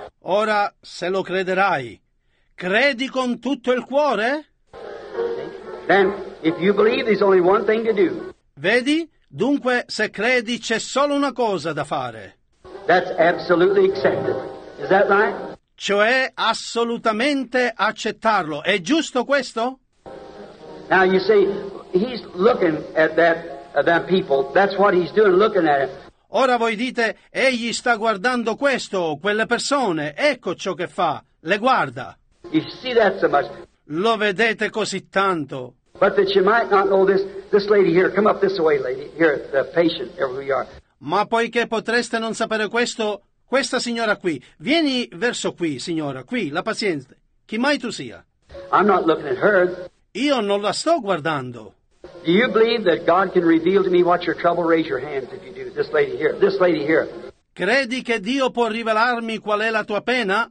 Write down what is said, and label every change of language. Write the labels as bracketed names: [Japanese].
[Italian] Ora, se lo crederai, credi con tutto il cuore? [English] Then, if you believe, there's only one thing to do. [Italian] Vedi? Dunque, se credi, c'è solo una cosa da fare. [English] That's absolutely accepted. Is that right? [Italian] Cioè assolutamente accettarlo. È giusto questo? [English] Now you see, he's looking at that them people. That's what he's doing, looking at it. [Italian] Ora voi dite, egli sta guardando questo, quelle persone, ecco ciò che fa, le guarda. [English] You see that so much. [Italian] Lo vedete così tanto. [English] But that you might not know this lady here, come up this way, lady, here, the patient, here we are. [Italian] Ma poiché potreste non sapere questo, questa signora qui, vieni verso qui, signora, qui, la paziente, chi mai tu sia. [English] I'm not looking at her. [Italian] Io non la sto guardando. [English] Do you believe that God can reveal to me what your trouble? Raise your hands if you do. This lady here. [Italian] Credi che Dio può rivelarmi qual è la tua pena?